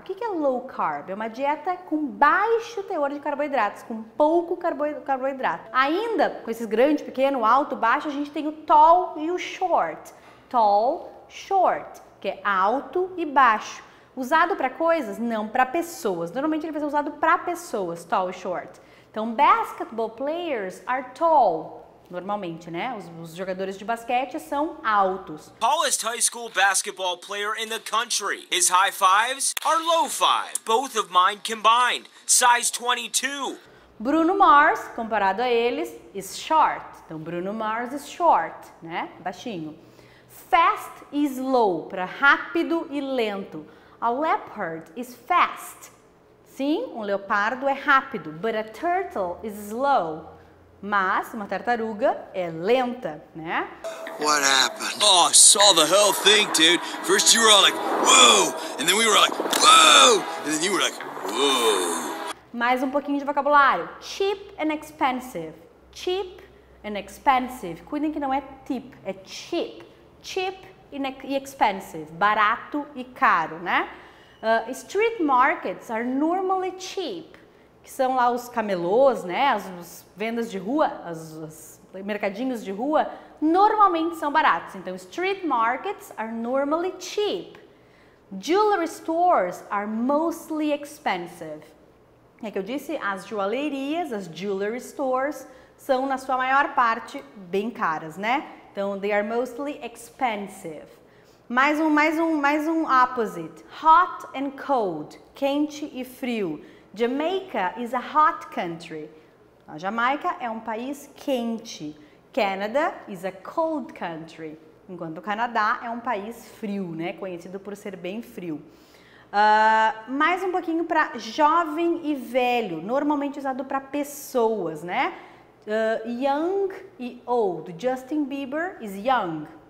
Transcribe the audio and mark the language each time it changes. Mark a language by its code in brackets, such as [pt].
[pt] O que é low carb? É uma dieta com baixo teor de carboidratos, com pouco carboidrato. Ainda, com esses grandes, pequeno, alto, baixo, a gente tem o tall e o short. Tall, short, que é alto e baixo. Usado para coisas? Não, para pessoas. Normalmente ele vai ser usado para pessoas, tall e short. [en] Então, basketball players are tall. [pt] Normalmente, né? Os jogadores de basquete são altos. [en] Tallest high school basketball player in the country. His high fives are low five. Both of mine combined. Size 22. [pt] Bruno Mars, comparado a eles, [en] is short. [pt] Então, Bruno Mars is short, né? Baixinho. Fast e slow, para rápido e lento. [en] A leopard is fast. [pt] Sim, um leopardo é rápido. [en] But a turtle is slow. [pt] Mas uma tartaruga é lenta, né? [en] What happened? Oh, I saw the whole thing, dude. First you were all like, whoa! And then we were like, whoa! And then you were like, whoa! [pt] Mais um pouquinho de vocabulário. [en] Cheap and expensive. Cheap and expensive. [pt] Cuidem que não é tip, é cheap. Cheap e expensive. Barato e caro, né? [en] Street markets are normally cheap. [pt] Que são lá os camelôs, né? As vendas de rua, os mercadinhos de rua, normalmente são baratos. [en] Então, street markets are normally cheap. Jewelry stores are mostly expensive. [pt] É que eu disse, as joalherias, as jewelry stores, são na sua maior parte bem caras, né? [en] Então, they are mostly expensive. [pt] Mais um [en] opposite. Hot and cold, [pt] quente e frio. [en] Jamaica is a hot country. [pt] A Jamaica é um país quente. [en] Canada is a cold country. [pt] Enquanto o Canadá é um país frio, né? Conhecido por ser bem frio. Mais um pouquinho para jovem e velho. Normalmente usado para pessoas, né? [en] Young e old. Justin Bieber is young.